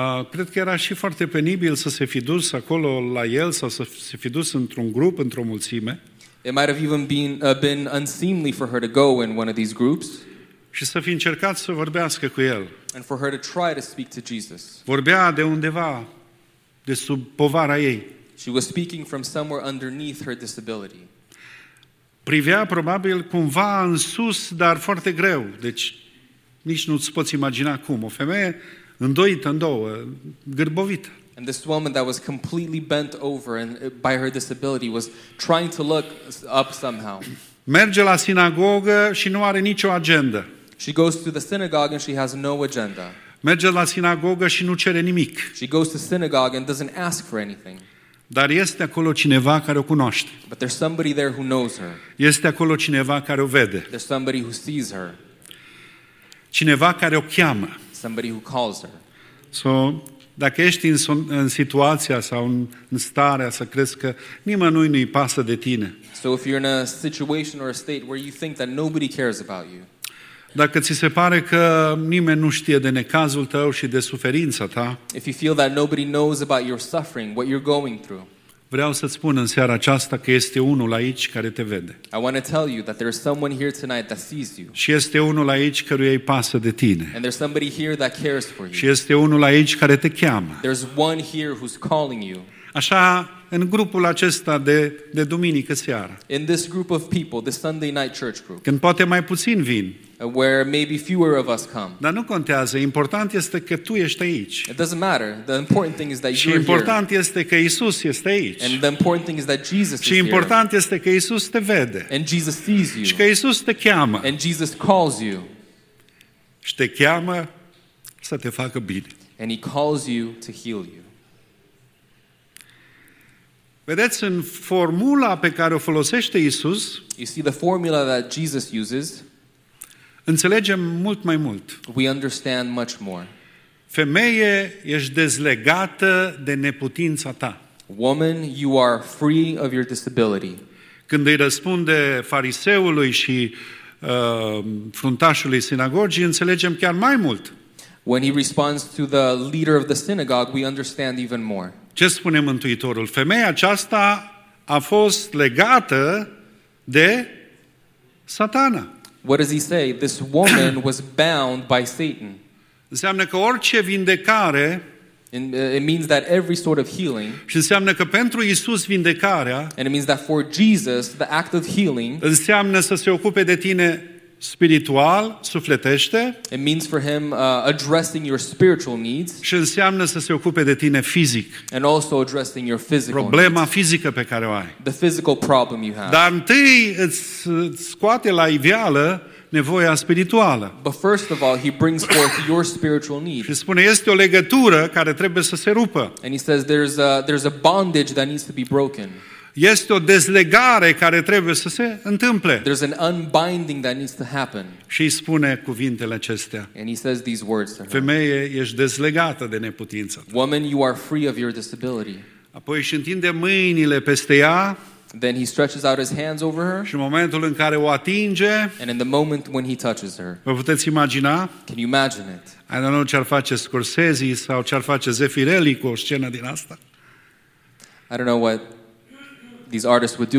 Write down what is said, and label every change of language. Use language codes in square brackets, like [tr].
[ro] Cred că era și foarte penibil să se fi dus acolo la el sau să se fi dus într-un grup, într-o mulțime. [en] It might have even been unseemly for her to go in one of these groups. [ro] Și să fi încercat să vorbească cu el. [en] And for her to try to speak to Jesus. [ro] Vorbea de undeva, de sub povara ei. [en] She was speaking from somewhere underneath her disability. [ro] Privea probabil cumva în sus, dar foarte greu. Deci nici nu ți poți imagina cum. O femeie îndoită în două, gârbovită. [en] And this woman that was completely bent over and by her disability was trying to look up somehow. [ro] Merge la sinagogă și nu are nicio agendă. [en] She goes to the synagogue and she has no agenda. [ro] Merge la sinagogă și nu cere nimic. [en] She goes to synagogue and doesn't ask for anything. [ro] Dar este acolo cineva care o cunoaște. [en] But there's somebody there who knows her. [ro] Este acolo cineva care o vede. [en] There's somebody who sees her. [ro] Cineva care o cheamă. [en] Somebody who calls her. [ro] So, dacă ești în situația sau în starea să crezi că nimănui nu-i pasă de tine. [en] So if you're in a situation or a state where you think that nobody cares about you. [ro] Dacă ți se pare că nimeni nu știe de necazul tău și de suferința ta. [en] If you feel that nobody knows about your suffering, what you're going through. [ro] Vreau să-ți spun în seara aceasta că este unul aici care te vede. [en] I want to tell you that there's someone here tonight that sees you. [ro] Și este unul aici căruia îi pasă de tine. [en] And there's somebody here that cares for you. [ro] Și este unul aici care te cheamă. [en] There's one here who's calling you. [ro] Așa, în grupul acesta de duminică seară. [en] In this group of people, the Sunday night church group. [ro] Când poate mai puțin vin. [en] Where maybe fewer of us come. [ro] Dar nu contează, important este că tu ești aici. [en] It doesn't matter. The important thing is that you're here. [ro] Și important este că Iisus este aici. [en] And the important thing is that Jesus is here. [ro] Și important este că Iisus te vede. [en] And Jesus sees you. [ro] Și că Iisus te cheamă. [en] And Jesus calls you. [ro] Și te cheamă să te facă bine. [en] And he calls you to heal you. [ro] Vedeți, în formula pe care o folosește Iisus, [en] you see the formula that Jesus uses, [ro] înțelegem mult mai mult. [en] We understand much more. [ro] Femeie, ești dezlegată de neputința ta. [en] Woman, you are free of your disability. [ro] Când îi răspunde fariseului și fruntașului sinagogii, înțelegem chiar mai mult. [en] When he responds to the leader of the synagogue, we understand even more. [ro] Ce spune Mântuitorul? Femeia aceasta a fost legată de Satana. [en] What does he say? This woman was bound by Satan. [ro] Înseamnă că orice vindecare, [en] it means that every sort of healing, [ro] și înseamnă că pentru Iisus vindecarea, [en] and it means that for Jesus, the act of healing, [ro] înseamnă să se ocupe de tine spiritual, sufletește, [en] it means for him addressing your spiritual needs, [ro] și înseamnă să se ocupe de tine fizic, [en] and also addressing your physical [ro] problema [en] needs, [ro] fizică pe care o ai, [en] the physical problem you have. [ro] Dar întâi îți scoate la iveală nevoia spirituală. [en] But first of all, he brings forth your spiritual need. [ro] Și spune, este o legătură care trebuie să se rupă. [en] And he says there's a bondage that needs to be broken. [ro] Este o dezlegare care trebuie să se întâmple. [en] There's an unbinding that needs to happen. [ro] Și îi spune cuvintele acestea. [en] And he says these words to her. [ro] Femeie, ești dezlegată de neputință. [en] Woman, you are free of your disability. [ro] Apoi își întinde mâinile peste ea. [en] Then he stretches out his hands over her. [ro] Și în momentul în care o atinge. [en] And in the moment when he touches her. [ro] Vă puteți imagina? [en] Can you imagine it? I don't know [ro] ce-ar face Scorsese sau ce-ar face Zeffirelli cu o scenă din asta. [en] I don't know what these artists would do